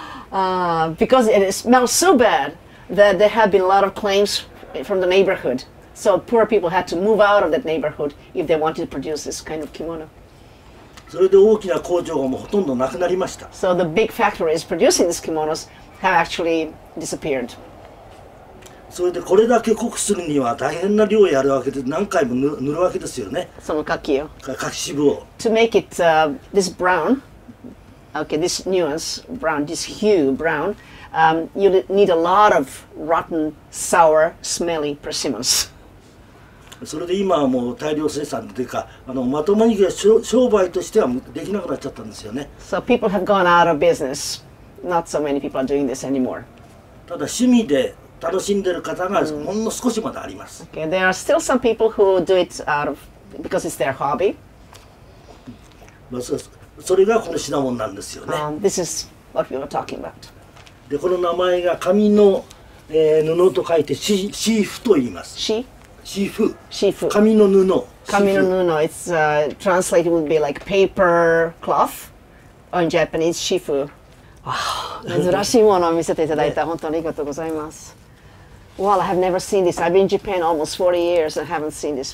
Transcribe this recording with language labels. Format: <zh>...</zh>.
<en>Because it smells so bad that there have been a lot of claims from the neighborhood. So poor people had to move out of that neighborhood if they wanted to produce this kind of kimono.</en> <ja>それで大きな工場がもうほとんどなくなりました。</ja> <en>So the big factories producing these kimonos have actually disappeared.</en> <ja>それでこれだけ濃くするには大変な量をやるわけで、何回も塗るわけですよね。その柿を。柿渋を。</ja> <en>To make it this brown. Okay, this nuance, brown, this hue, brown, you need a lot of rotten, sour, smelly persimmons.</en> <ja>それで今はもう大量生産というか、あのまともに商売としてはできなくなっちゃったんですよね。</ja> <en>So people have gone out of business. Not so many people are doing this anymore.</en> <ja>ただ趣味で楽しんでる方がほんの少しまだあります。</ja> <en>Okay, there are still some people who do it out of, because it's their hobby.</en> <ja>まあ、それがこの品物なんですよね。</ja> <en>This is what we were talking about.</en> <ja>で、この名前が紙の、布と書いてシーフと言います。シーフ。紙の布。紙の布。</ja> <en>It's translated would be like paper cloth. In Japanese, シーフ。</en> <ja>珍しいものを見せていただいた、ね、本当にありがとうございます。</ja> <en>Well, I have never seen this. I've been in Japan almost 40 years and haven't seen this.</en>